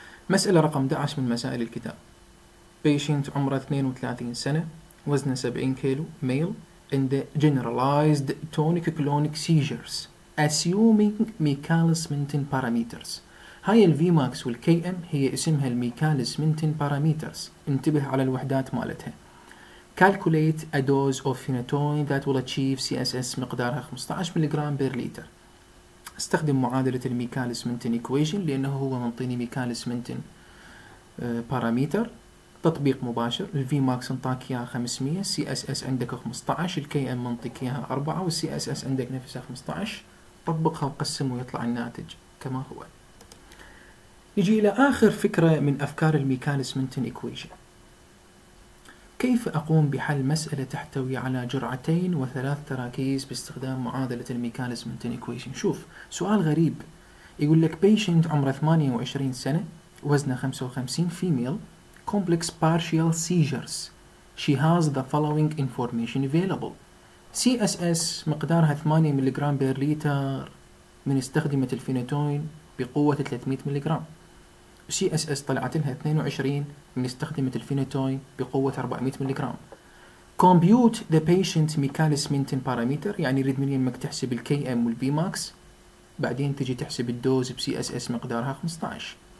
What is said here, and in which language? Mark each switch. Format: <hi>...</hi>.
<ar>مساله رقم 11 من مسائل الكتاب، بيشنت عمره 32 سنه، وزنه 70 كيلو، ميل، عند جنرالايزد تونيك كلونيك سيجرز اسيومينج ميكاليس منتن باراميترز. هاي الفي ماكس والكي ام هي اسمها الميكاليس منتن باراميترز، انتبه على الوحدات مالتها.</ar> <en>Calculate a dose of phenytoin that will achieve CSS</en> <ar>مقدارها 15 ملغرام بير لتر. استخدم معادلة الميكاليس منتن إيكويشن لأنه هو منطيني ميكاليس منتن باراميتر. تطبيق مباشر، الفي ماكس انطاك اياها 500، السي اس اس عندك 15، الكي ام منطيك اياها 4، والسي اس اس عندك نفسها 15، طبقها وقسم ويطلع الناتج كما هو. نجي الى اخر فكرة من افكار الميكاليس منتن إيكويشن، كيف اقوم بحل مسألة تحتوي على جرعتين وثلاث تراكيز باستخدام معادلة الميكاليس منتن إيكويشن. شوف سؤال غريب، يقول لك بيشنت عمره 28 سنة، وزنه 55، فيميل،</ar> <en>complex partial seizures. She has the following information available.</en> <ar>CSS مقدارها 8 ملغ بير لتر من استخدمت الفينيتوين بقوة 300 ملغ. CSS طلعت لها 22 من استخدمت الفينيتوين بقوة 400 ملغ.</ar> <en>Compute the patient Michaelis Menten parameter،</en> <ar>يعني يريد مني انك تحسب الـ KM والـ Vmax، بعدين تجي تحسب الدوز بـ CSS مقدارها 15.</ar>